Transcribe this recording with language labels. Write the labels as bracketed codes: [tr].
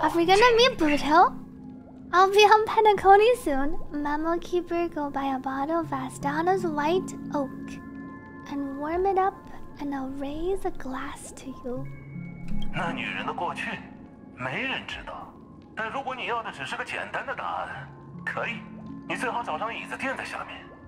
[en] Are we gonna meet Butil? I'll be on Pentacone soon. Memo keeper, go buy a bottle of Astana's white oak, and warm it up, and I'll raise a glass to you. [zh] 那女人的过去，没人知道。但如果你要的只是个简单的答案，可以。你最好找张椅子垫在下面。